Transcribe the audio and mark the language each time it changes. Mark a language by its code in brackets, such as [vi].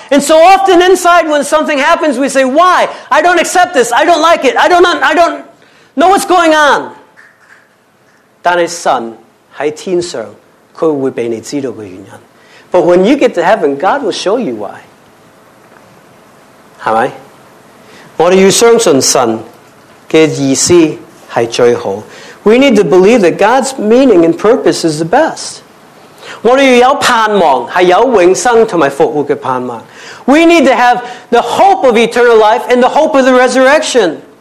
[en] And so often inside when something happens, we say, why? I don't accept this. I don't like it. I don't know what's going on. [zh] 但是神在天上, [en] but when you get to heaven, God will show you why. [zh] 是吗? 我们要相信神的意思是最好。 [en] We need to believe that God's meaning and purpose is the best. [zh] 我们要有盼望,是有永生和复活的盼望。 [en] We need to have the hope of eternal life and the hope of the resurrection.